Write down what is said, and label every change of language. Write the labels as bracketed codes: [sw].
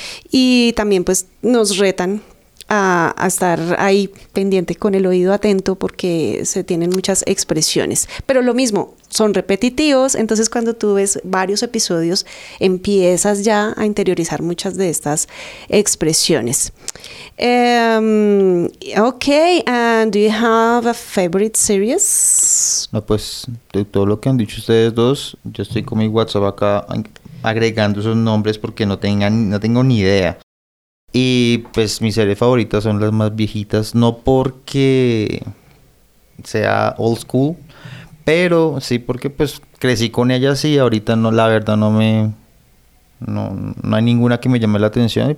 [es] Y también pues nos retan a estar ahí pendiente con el oído atento porque se tienen muchas expresiones. Pero lo mismo, son repetitivos, entonces cuando tú ves varios episodios empiezas ya a interiorizar muchas de estas expresiones. [en] Okay, and do you have a favorite series? [es] No, pues de todo lo que han dicho ustedes dos, yo estoy con mi WhatsApp acá agregando esos nombres porque no tengo ni idea. Y pues mis series favoritas son las más viejitas, no porque sea old school, pero sí porque pues crecí con ellas y ahorita no, la verdad no hay ninguna que me llame la atención.